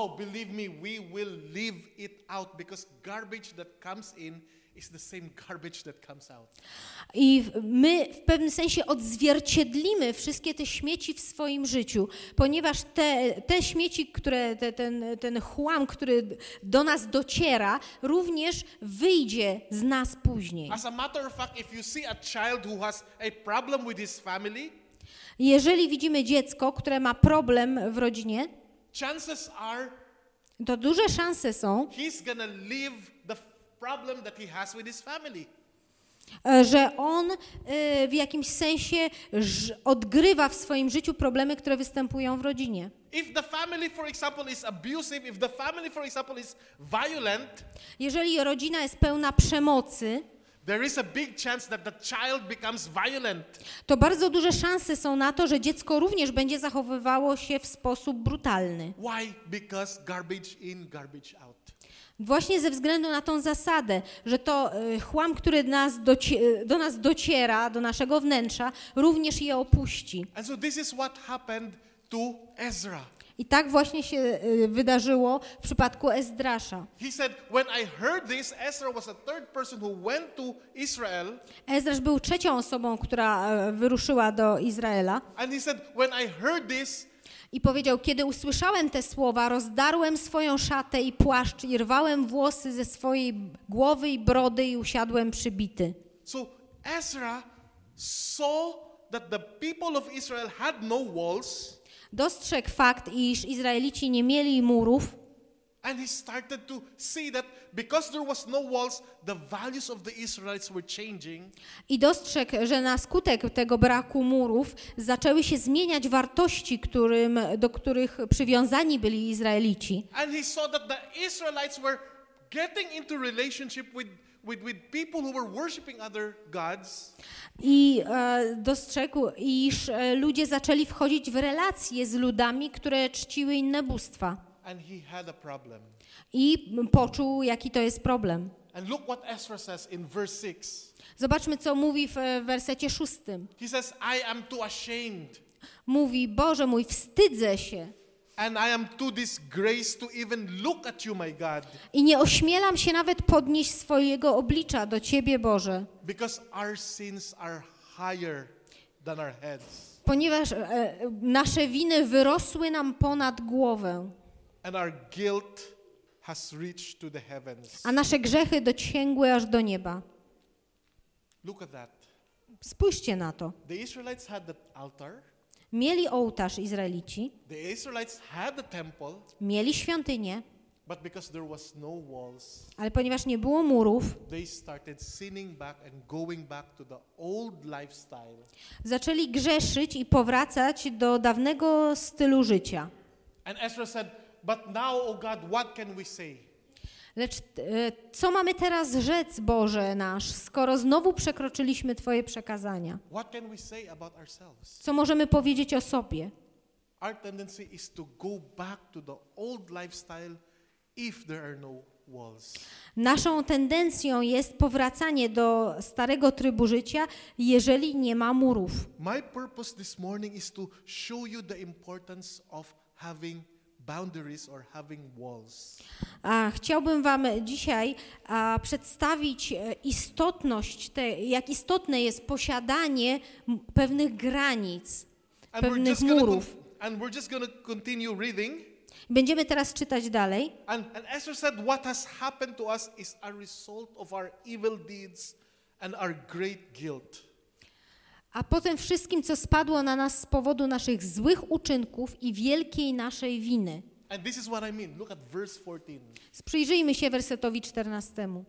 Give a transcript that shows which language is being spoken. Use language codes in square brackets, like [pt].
[en] believe me, we will leave it out because garbage that comes in is the same garbage that comes out. [pl] I my w pewnym sensie odzwierciedlimy wszystkie te śmieci w swoim życiu, ponieważ te śmieci, które ten chłam, który do nas dociera, również wyjdzie z nas później. [en] As a matter of fact, if you see a child who has a problem with his family, [pl] jeżeli widzimy dziecko, które ma problem w rodzinie, [en] chances are, [pl] to duże szanse są, [en] he's gonna leave the problem that he has with his family. [pl] Że on w jakimś sensie odgrywa w swoim życiu problemy, które występują w rodzinie. [en] If the family, for example, is abusive, if the family, for example, is violent, [pl] jeżeli rodzina jest pełna przemocy, [en] there is a big chance that the child becomes violent. [pl] To bardzo duże szanse są na to, że dziecko również będzie zachowywało się w sposób brutalny. [en] Why? Because garbage in, garbage out. [pl] Właśnie ze względu na tą zasadę, że to chłam, który do nas dociera, do naszego wnętrza, również je opuści. [en] And so this is what happened to Ezra. [pl] I tak właśnie się wydarzyło w przypadku Ezdrasza. [en] He said, when I heard this, Ezra was the third person who went to Israel. [pl] Ezdrasz był trzecią osobą, która wyruszyła do Izraela. [en] And he said, when I heard this, [pl] I powiedział, kiedy usłyszałem te słowa, rozdarłem swoją szatę i płaszcz i rwałem włosy ze swojej głowy i brody i usiadłem przybity. [en] So Ezra saw that the people of Israel had no walls. [pl] Dostrzegł fakt, iż Izraelici nie mieli murów. [en] And he started to see that because there was no walls, the values of the Israelites were changing. [pl] I dostrzegł, że na skutek tego braku murów zaczęły się zmieniać wartości, do których przywiązani byli Izraelici. [en] And he saw that the Israelites were getting into relationship with people who were worshiping other gods. [pl] I dostrzegł, iż ludzie zaczęli wchodzić w relacje z ludami, które czciły inne bóstwa. [en] And he had a problem. [pl] I poczuł, jaki to jest problem. [en] And look what Ezra says in verse 6. [pl] Zobaczmy, co mówi w wersecie 6. [en] He says, I am too ashamed. [pl] Mówi, Boże mój, wstydzę się. [en] And I am too disgraced to even look at you, my God. [pl] I nie ośmielam się nawet podnieść swojego oblicza do Ciebie, Boże. [en] Because our sins are higher than our heads. [pl] Ponieważ nasze winy wyrosły nam ponad głowę. [en] And our guilt has reached to the heavens. [pl] A nasze grzechy dociągły aż do nieba. [en] Look at that. [pl] Spójrzcie na to. [en] The Israelites had the altar. [pl] Mieli ołtarz Izraelici. [en] The Israelites had the temple. [pl] Mieli świątynię. [en] But because there was no walls, [pl] ale ponieważ nie było murów, [en] they started sinning back and going back to the old lifestyle. [pl] Zaczęli grzeszyć i powracać do dawnego stylu życia. [en] And Ezra said, But now, O God, what can we say? [pl] Lecz co mamy teraz rzec, Boże nasz, skoro znowu przekroczyliśmy Twoje przekazania? [en] What can we say about ourselves? [pl] Co możemy powiedzieć o sobie? [en] Our tendency is to go back to the old lifestyle if there are no walls. [pl] Naszą tendencją jest powracanie do starego trybu życia, jeżeli nie ma murów. [en] My purpose this morning is to show you the importance of having boundaries or having walls. [pl] A chciałbym wam dzisiaj przedstawić istotność jak istotne jest posiadanie pewnych granic, [en] and [pl] pewnych murów. [en] And we're just gonna continue reading. [pl] Będziemy teraz czytać dalej. [en] And Esther said what has happened to us is a result of our evil deeds and our great guilt. [pl] A potem wszystkim, co spadło na nas z powodu naszych złych uczynków i wielkiej naszej winy. [en] And this is what I mean. Look at verse 14. [pl] Sprzyjrzyjmy się wersetowi 14.